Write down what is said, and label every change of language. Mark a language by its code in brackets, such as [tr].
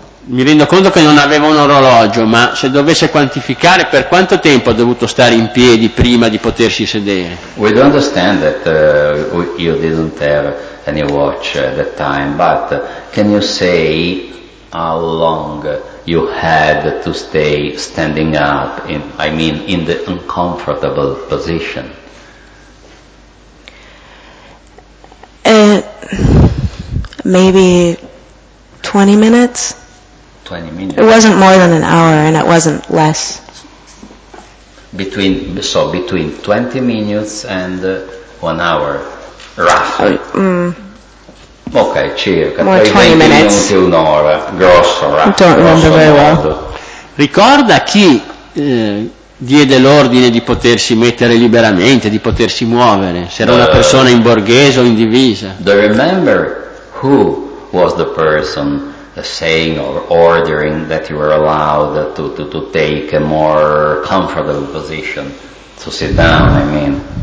[it] Mi rendo conto che non avevo un orologio, ma se dovesse quantificare per quanto tempo ho dovuto stare in piedi prima di potersi sedere. [en] We do understand that you didn't have any watch at that time, but can you say how long you had to stay standing up in the uncomfortable position? Maybe 20 minutes. 20 minutes. It wasn't more than an hour, and it wasn't less. Between 20 minutes and 1 hour, roughly. Okay, circa. More 20 minutes. [it] Minuti, un'ora, grosso, roughly. [en] I don't remember very well. [it] Ricorda chi diede l'ordine di potersi mettere liberamente, di potersi muovere? Se era una persona in borghese o in divisa? [en] Do you remember who was the person saying or ordering that you were allowed to take a more comfortable position, to sit down, I mean?